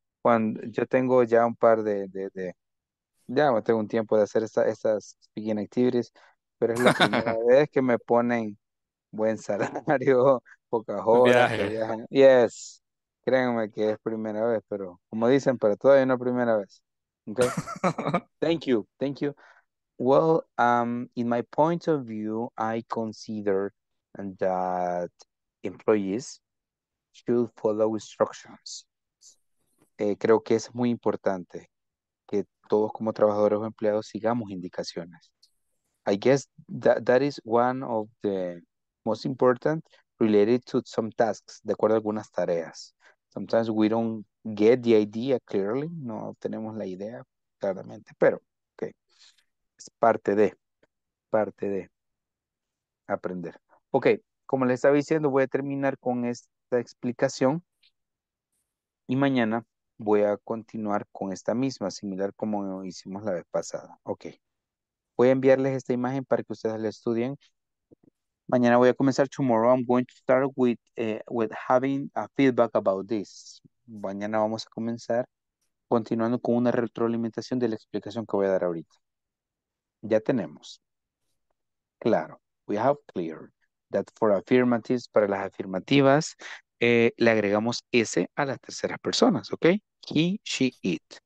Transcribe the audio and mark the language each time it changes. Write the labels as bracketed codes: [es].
[es] Cuando yo tengo ya un par ya tengo un tiempo de hacer esas speaking activities, pero es la primera vez que me ponen buen salario, pocas horas. Yes. Créanme que es primera vez, pero como dicen, pero todavía no primera vez. [en] Okay. Thank you. Well, in my point of view, I consider that employees should follow instructions. [es] Creo que es muy importante que todos como trabajadores o empleados sigamos indicaciones. [en] I guess that is one of the most important related to some tasks, [es] de acuerdo a algunas tareas. [en] Sometimes we don't get the idea clearly. [es] No tenemos la idea claramente, pero okay. Es parte de aprender. Ok, como les estaba diciendo, voy a terminar con esta explicación y mañana voy a continuar con esta misma, similar como hicimos la vez pasada. Ok, voy a enviarles esta imagen para que ustedes la estudien. Mañana voy a comenzar. [en] Tomorrow I'm going to start with having a feedback about this. [es] Mañana vamos a comenzar continuando con una retroalimentación de la explicación que voy a dar ahorita. Ya tenemos. Claro. [en] We have clear that for affirmatives, [es] para las afirmativas, le agregamos S a las terceras personas, ¿ok? He, she, it.